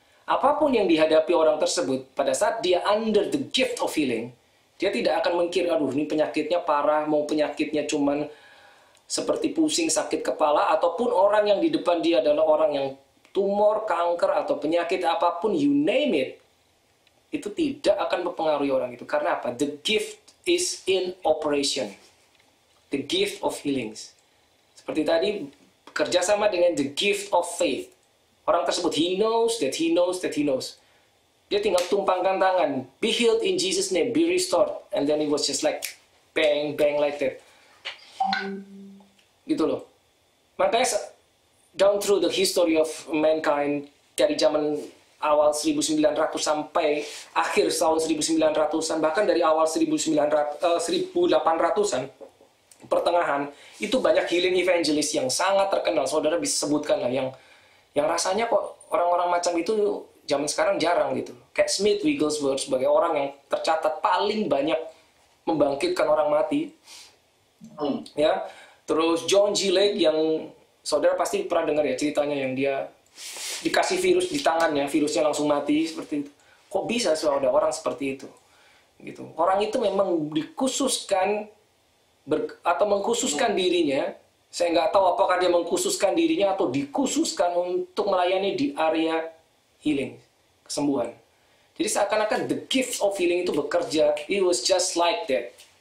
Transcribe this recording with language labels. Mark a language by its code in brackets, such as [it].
[id] Apapun yang dihadapi orang tersebut, pada saat dia [en] under the gift of healing, [id] dia tidak akan mengkira, aduh ini penyakitnya parah, mau penyakitnya cuman seperti pusing, sakit kepala, ataupun orang yang di depan dia adalah orang yang tumor, kanker, atau penyakit apapun, [en] you name it, [id] itu tidak akan mempengaruhi orang itu. Karena apa? [en] The gift is in operation. The gift of healings. [id] seperti tadi, kerjasama dengan [en] the gift of faith. [id] Orang tersebut, [en] he knows that he knows that he knows. [id] Dia tinggal tumpangkan tangan, [en] be healed in Jesus' name, be restored. And then it was just like, bang, bang like that. [id] Gitu loh. Makanya, [en] down through the history of mankind, [id] dari zaman awal 1900 sampai akhir tahun 1900-an, bahkan dari awal 1800-an, pertengahan, itu banyak healing evangelist yang sangat terkenal, saudara bisa sebutkan lah, yang rasanya kok orang-orang macam itu zaman sekarang jarang gitu. Kayak Smith Wigglesworth sebagai orang yang tercatat paling banyak membangkitkan orang mati. Ya. Terus John G. Lake yang saudara pasti pernah dengar ya ceritanya, yang dia dikasih virus di tangannya, virusnya langsung mati seperti itu. Kok bisa saudara orang seperti itu? Gitu. Orang itu memang dikhususkan atau mengkhususkan dirinya. Saya nggak tahu apakah dia mengkhususkan dirinya atau dikhususkan untuk melayani di area healing, kesembuhan. Jadi seakan-akan [en] the gift of healing [id] itu bekerja, [en] it was just like that.